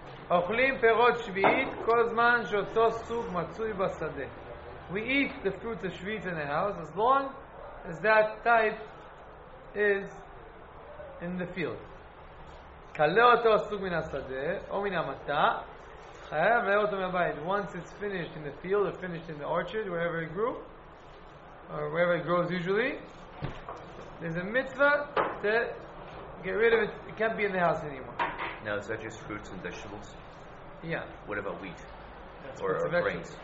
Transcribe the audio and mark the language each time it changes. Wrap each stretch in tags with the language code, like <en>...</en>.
<he>אוכלים פירות שביעית כל זמן שאותו סוג מצוי בשדה.</he> <en>We eat the fruit of shviit in the house as long as that type is in the field.</en> <he>קלה אותו סוג מן השדה או מן המטע, חייב לאכול אותו מהבית.</he> <en>Once it's finished in the field or finished in the orchard, wherever it grew, or wherever it grows usually, there's a mitzvah to get rid of it. It can't be in the house anymore. Now, is that just fruits and vegetables? Yeah. What about wheat? That's fruits or grains?</en>